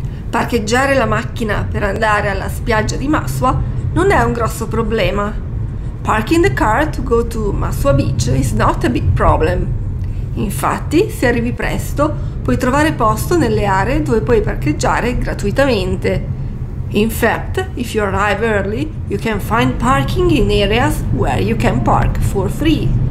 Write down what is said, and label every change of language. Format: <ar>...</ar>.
<it>Parcheggiare la macchina per andare alla spiaggia di Masua non è un grosso problema.</it> <en>Parking the car to go to Masua Beach is not a big problem.</en> <it>Infatti, se arrivi presto, puoi trovare posto nelle aree dove puoi parcheggiare gratuitamente.</it> <en>In fact, if you arrive early, you can find parking in areas where you can park for free.</en>